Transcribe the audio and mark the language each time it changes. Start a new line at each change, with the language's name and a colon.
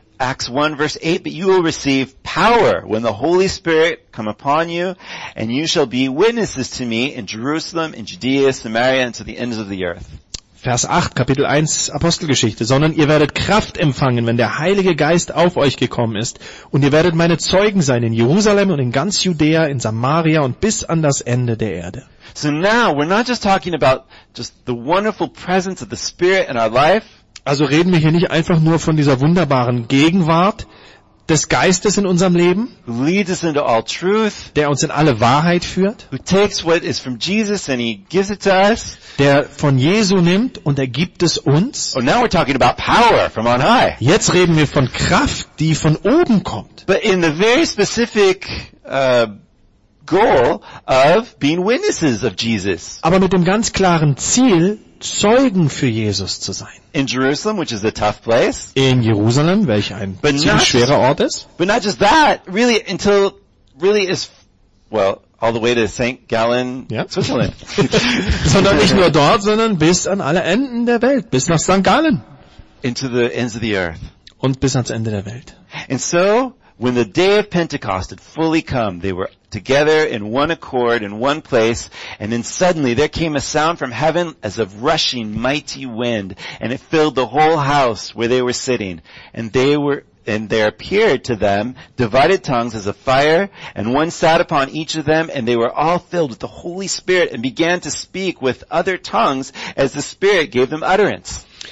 English: Acts 1, verse 8, but you will receive power when the Holy Spirit come upon you, and you shall be witnesses to me in Jerusalem, in Judea, Samaria, and to the ends of the earth.
German: Vers 8, Kapitel 1, Apostelgeschichte. Sondern ihr werdet Kraft empfangen, wenn der Heilige Geist auf euch gekommen ist. Und ihr werdet meine Zeugen sein in Jerusalem und in ganz Judäa, in Samaria und bis an das Ende der Erde.
English: So now, we're not just talking about just the wonderful presence of the Spirit in our life.
German: Also reden wir hier nicht einfach nur von dieser wunderbaren Gegenwart des Geistes in unserem Leben,
English: leads us into all truth,
German: der uns in alle Wahrheit führt,
English: who takes what is from Jesus and he gives it to us,
German: der von Jesu nimmt und er gibt es uns.
English: Oh, now we're talking about power from on high.
German: Jetzt reden wir von Kraft, die von oben kommt.
English: But in the very specific goal of being witnesses of Jesus.
German: Aber mit dem ganz klaren Ziel, Zeugen für Jesus zu sein.
English: In Jerusalem, which is a tough place.
German: In Jerusalem, welch ein ziemlich schwerer Ort ist.
English: But not just that, really, until really is, well, all the way to St. Gallen, yeah. Switzerland.
German: Sondern nicht nur dort, sondern bis an alle Enden der Welt, bis nach St. Gallen.
English: Into the ends of the earth.
German: Und bis ans Ende der Welt.
English: And so, when the day of Pentecost had fully come, they were together in one accord in one place, and then suddenly there came a sound from heaven as of rushing mighty wind, and it filled the whole house where they were sitting, and there appeared to them divided tongues as a fire, and one sat upon each of them, and they were all filled with the Holy Spirit and began to speak with other tongues as the Spirit gave them utterance.